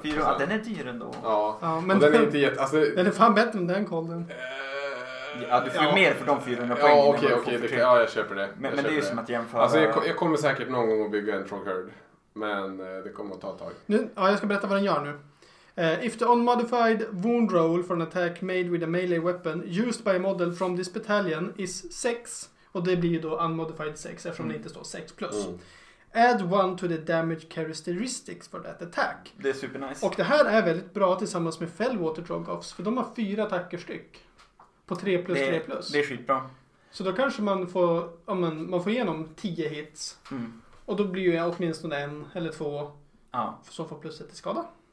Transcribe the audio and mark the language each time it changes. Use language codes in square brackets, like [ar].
[sv] 400. Ah, den är dyr ändå. Ja, ja men den är inte jätte... Alltså... Den är fan bättre än den kolden. Ja, du får ju mer för de 400 ja, poängen. Ja, okej, okej. Ja, jag köper det. Men köper det är ju som att jämföra... Alltså, jag kommer säkert någon gång att bygga en Trollherd. Men det kommer att ta ett tag. Nu, ja, jag ska berätta vad den gör nu. [en] If the unmodified wound roll for an attack made with a melee weapon used by a model from this battalion is 6. [sv] Och det blir ju då unmodified 6 eftersom det inte står 6 plus. Mm. [en] Add one to the damage characteristics for that attack. [sv] Det är super nice. Och det här är väldigt bra tillsammans med Fellwater Trogoffs. För de har 4 attacker styck. På 3 plus 3 plus. Det är skitbra. Så då kanske man får, ja, man får igenom 10 hits. Mm. Och då blir jag åtminstone en eller två ja. Som får plus 1 till skada.